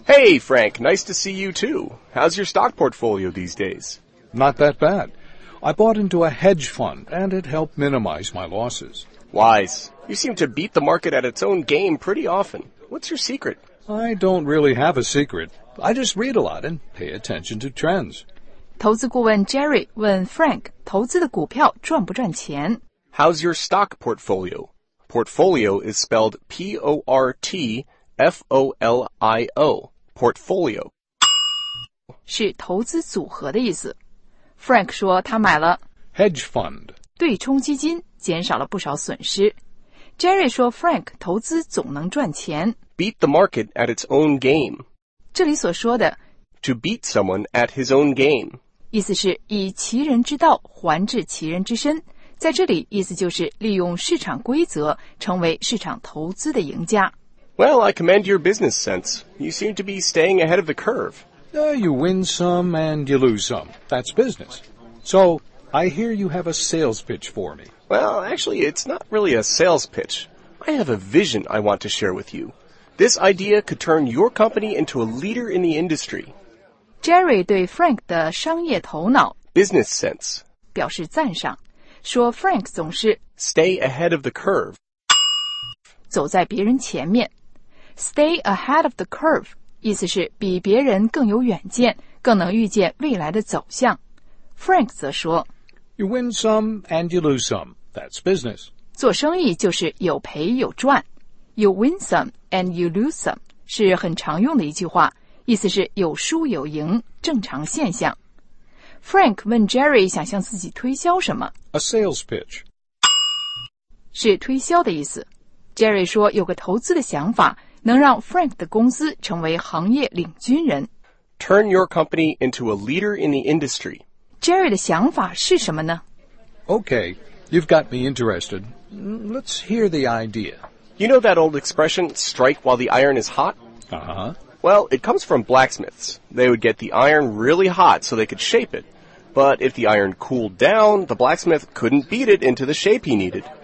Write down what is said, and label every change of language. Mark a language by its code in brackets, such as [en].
[en] Hey, Frank, nice to see you too. How's your stock portfolio these days? Not that bad. I bought into a hedge fund, and it helped minimize my losses. Wise. You seem to beat the market at its own game pretty often. What's your secret? I don't really have a secret. I just read a lot and pay attention to trends. [zh] 投资顾问 Jerry 问 Frank, 投资的股票赚不赚钱? [en] How's your stock portfolio? Portfolio is spelled P-O-R-T-F-O-L-I-O, portfolio. [zh] 是投资组合的意思。Frank 说他买了 [en] hedge fund, [zh] 对冲基金，减少了不少损失。Jerry 说 Frank 投资总能赚钱。 [en] Beat the market at its own game. [zh] 这里所说的 [en] to beat someone at his own game. [zh] 意思是以其人之道还治其人之身。在这里意思就是利用市场规则成为市场投资的赢家。 [en] Well, I commend your business sense. You seem to be staying ahead of the curve. You win some and you lose some. That's business. So, I hear you have a sales pitch for me. Well, actually, it's not really a sales pitch. I have a vision I want to share with you. This idea could turn your company into a leader in the industry. [zh] Jerry 对 Frank 的商业头脑 [en] business sense [zh] 表示赞赏，说 Frank 总是 [en] stay ahead of the curve. [zh] 走在别人前面 [en] Stay ahead of the curve [zh] 意思是比别人更有远见更能预见未来的走向 Frank 则说 [en] You win some and you lose some That's business [zh] 做生意就是有赔有赚 [en] You win some and you lose some [zh] 是很常用的一句话意思是有输有赢正常现象 Frank 问 Jerry 想向自己推销什么 [en] A sales pitch [zh] 是推销的意思。 Jerry 说有个投资的想法能让 Frank 的公司成为行业领军人。 [en] Turn your company into a leader in the industry. [zh] Jerry 的想法是什么呢？ [en] Okay, you've got me interested. Let's hear the idea. You know that old expression, strike while the iron is hot? Uh-huh. Well, it comes from blacksmiths. They would get the iron really hot so they could shape it. But if the iron cooled down, the blacksmith couldn't beat it into the shape he needed.